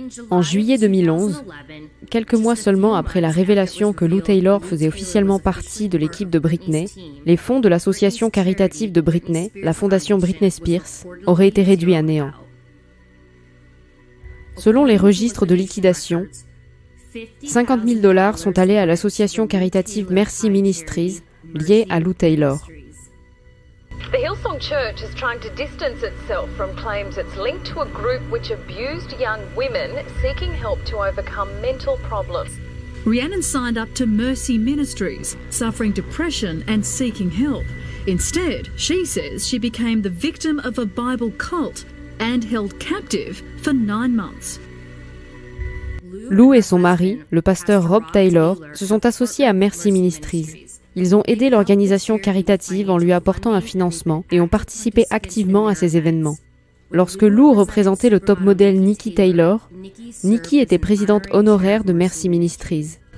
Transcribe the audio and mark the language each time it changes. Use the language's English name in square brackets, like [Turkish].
[French] En juillet 2011, quelques mois seulement après la révélation que Lou Taylor faisait officiellement partie de l'équipe de Britney, les fonds de l'association caritative de Britney, la Fondation Britney Spears, auraient été réduits à néant. Selon les registres de liquidation, 50 000 dollars sont allés à l'association caritative Mercy Ministries, liée à Lou Taylor. [English] The Hillsong Church is trying to distance itself from claims it's linked to a group which abused young women seeking help to overcome mental problems. Rhiannon signed up to Mercy Ministries, suffering depression and seeking help. Instead, she says she became the victim of a Bible cult and held captive for 9 months. [French] Lou et son mari, le pasteur Rob Taylor, se sont associés à Mercy Ministries. Ils ont aidé l'organisation caritative en lui apportant un financement et ont participé activement à ces événements. Lorsque Lou représentait le top modèle Nikki Taylor, Nikki était présidente honoraire de Mercy Ministries.